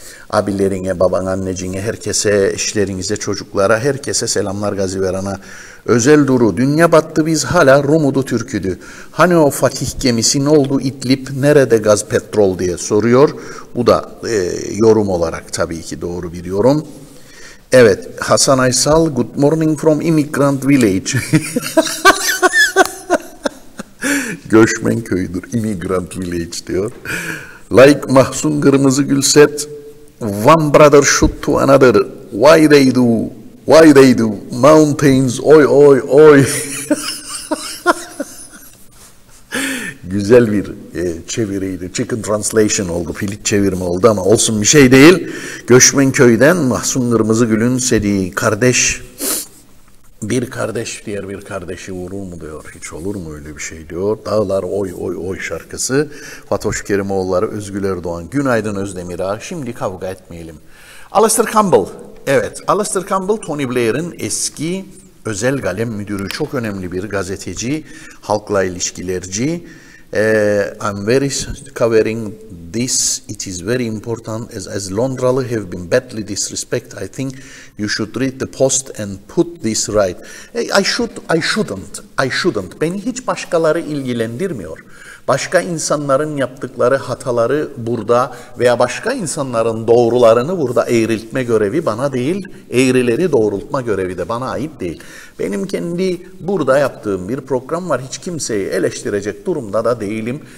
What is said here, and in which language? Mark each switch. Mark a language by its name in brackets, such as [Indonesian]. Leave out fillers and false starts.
[Turkish] Abilerine, baban, anneciğine, herkese, eşlerinize, çocuklara, herkese selamlar Gaziveran'a. Özel Duru, dünya battı biz hala Rumudu Türküdü. Hani o fakih gemisi ne oldu İdlib, nerede gaz petrol diye soruyor. Bu da yorum olarak tabii ki doğru bir yorum. [English] Evet, Hasan Aysal, good morning from immigrant village. [Turkish] Göçmen köyüdür, [English] immigrant village [Turkish] diyor. [English] Like Mahsun Kırmızı Gülset. One brother shoot to another. Why they do? Why they do? Mountains, oy oy oy. [Turkish] güzel bir çeviriydi. [English] Chicken translation [Turkish] oldu, filik çevirme oldu ama olsun, bir şey değil. Göçmen köyden Mahsun Kırmızıgül'ün sediği kardeş, bir kardeş diğer bir kardeşi vurur mu diyor. Hiç olur mu öyle bir şey diyor. Dağlar oy oy oy şarkısı. Fatoş Kerimoğulları, Özgül Erdoğan, Günaydın Özdemir Ağa. Şimdi kavga etmeyelim. Alistair Campbell. Evet, Alistair Campbell Tony Blair'ın eski özel kalem müdürü, çok önemli bir gazeteci, halkla ilişkilerci. [English] I'm very covering this. It is very important as Londralı have been badly disrespected. I think you should read the post and put this right. I shouldn't. [Turkish] Beni hiç başkaları ilgilendirmiyor. Başka insanların yaptıkları hataları burada veya başka insanların doğrularını burada eğriltme görevi bana değil, eğrileri doğrultma görevi de bana ait değil. Benim kendi burada yaptığım bir program var, hiç kimseyi eleştirecek durumda da değilim.